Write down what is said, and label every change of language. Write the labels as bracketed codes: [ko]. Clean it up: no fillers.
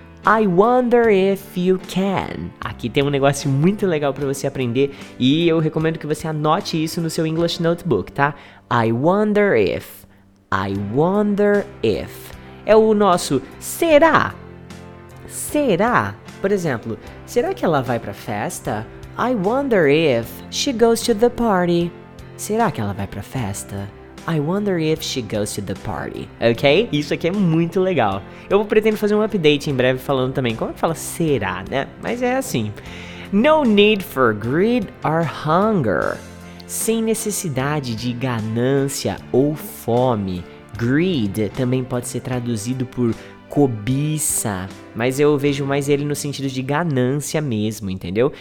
[en] I wonder if you can. [pt] Aqui tem um negócio muito legal para você aprender e eu recomendo que você anote isso no seu English Notebook, tá? [en] I wonder if. I wonder if. [pt] É o nosso será? Será? Por exemplo, será que ela vai pra festa? [en] I wonder if she goes to the party. [pt] Será que ela vai pra festa? [en] I wonder if she goes to the party. [pt] Ok? Isso aqui é muito legal. Eu pretendo fazer um update em breve falando também como é que fala será, né? Mas é assim. [en] No need for greed or hunger. [pt] Sem necessidade de ganância ou fome. Greed também pode ser traduzido por cobiça, mas eu vejo mais ele no sentido de ganância mesmo, entendeu?